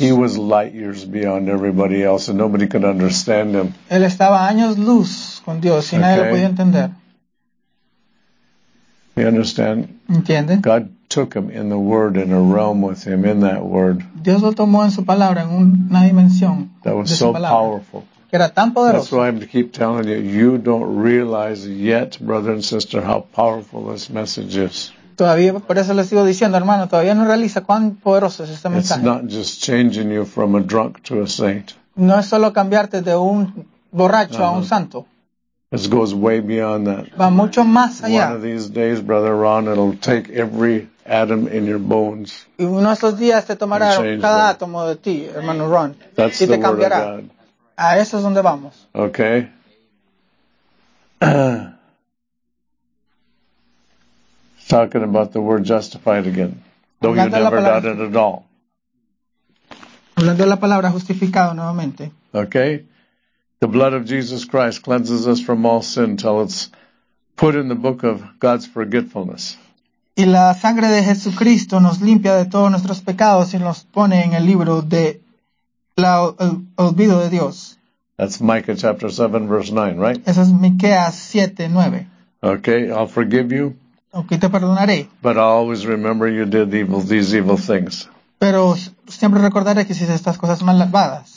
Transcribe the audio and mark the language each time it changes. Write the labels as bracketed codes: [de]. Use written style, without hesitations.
[en] He was light years beyond everybody else and nobody could understand him. [es] Él estaba años luz con Dios y [en] okay. [es] Nadie lo podía entender. [en] You understand? [es] ¿Entiende? [en] God took him in the Word in a realm with him in that Word. [es] Dios lo tomó en su palabra en una dimensión. [en] That was [es] de su [en] so [es] palabra, [en] powerful. [es] Que era tan poderoso. [en] That's why I keep telling you, you don't realize yet, brother and sister, how powerful this message is. [es] Todavía por eso le sigo diciendo, hermano, todavía no realiza cuán poderoso es este mensaje. [en] It's not just changing you from a drunk to a saint. [es] No es solo cambiarte de un borracho a un santo. [en] This goes way beyond that. [es] Va mucho más allá. [en] One of these days, Brother Ron, it'll take every atom in your bones. [es] Y uno de esos días te tomará cada átomo de ti, hermano Ron. [en] That's [es] y te cambiará. [en] Word of God. [es] A eso es donde vamos. [en] Okay. Talking about the word justified again. Though [es] hablando [en] you never [es] palabra, [en] doubted at all. [es] Hablando de la palabra justificado nuevamente. [en] Okay. The blood of Jesus Christ cleanses us from all sin till it's put in the book of God's forgetfulness. [es] Y la sangre de Jesucristo nos limpia de todos nuestros pecados y nos pone en el libro de la olvido de Dios. [en] That's Micah chapter 7 verse 9, right? [es] Eso es Miqueas 7:9. [en] Okay, I'll forgive you. [es] Okay, te perdonaré. [en] But I'll always remember you did these evil things. [es] Pero siempre recordaré que hiciste estas cosas malvadas.